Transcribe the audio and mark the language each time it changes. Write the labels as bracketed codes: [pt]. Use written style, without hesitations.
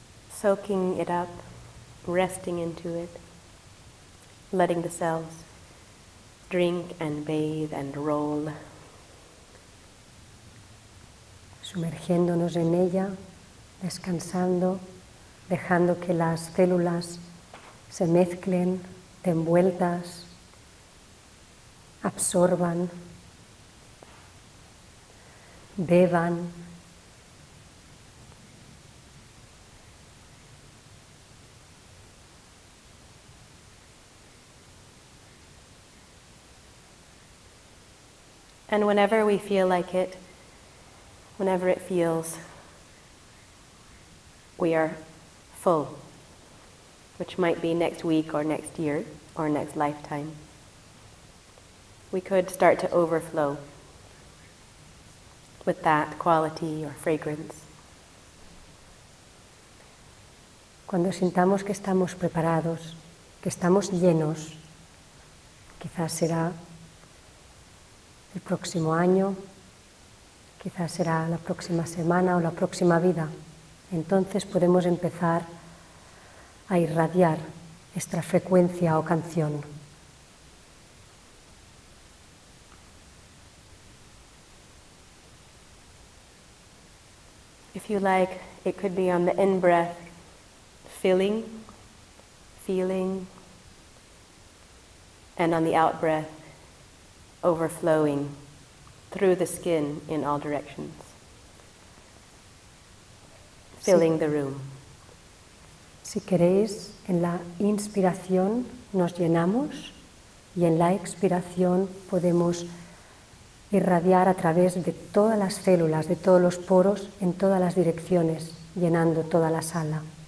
[en] soaking it up, resting into it, letting the cells drink and bathe and roll. [es] Sumergiéndonos en ella, descansando, dejando que las células se mezclen, de envueltas, absorban, beban. [en] And whenever we feel like it, whenever it feels, we are full, which might be next week or next year or next lifetime, we could start to overflow with that quality or fragrance. [es] Cuando sintamos que estamos preparados, que estamos llenos, quizás será el próximo año, quizás será la próxima semana o la próxima vida. Entonces podemos empezar a irradiar esta frecuencia o canción. [en] If you like, it could be on the in-breath, filling, feeling, and on the out-breath, overflowing through the skin in all directions, filling the room. [es] Si queréis, en la inspiración nos llenamos y en la expiración podemos irradiar a través de todas las células, de todos los poros, en todas las direcciones, llenando toda la sala.